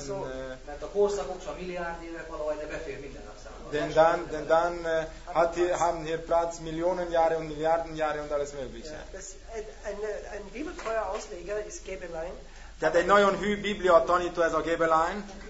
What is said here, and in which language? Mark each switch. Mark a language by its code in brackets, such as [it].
[hu] Also, mert a korszakok csak milliárd évek valahogy, de befér minden napszámban. [de] Denn dann haben hier Platz Millionen Jahre und Milliarden Jahre und alles mögliche. Ein Bibeltreuer Ausleger ist Gebelein. [hu] Tehát egy nagyon hű Biblia tanító ez a Gebelein.